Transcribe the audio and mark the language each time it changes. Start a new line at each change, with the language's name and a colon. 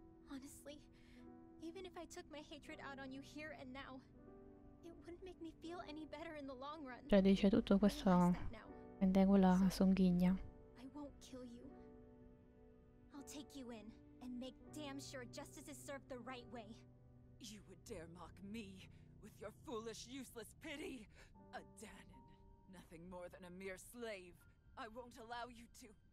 English: Honestly, even if I took my hatred out on you here and now, it wouldn't make me feel any better in the long run.
Italian: Cioè dice tutto questo ed è quella sunghigna.
English: I won't kill you. I'll take you in and make damn sure justice is served the right way. You would dare mock me with your foolish, useless pity? A Danon, nothing more than a mere slave. I won't allow you to.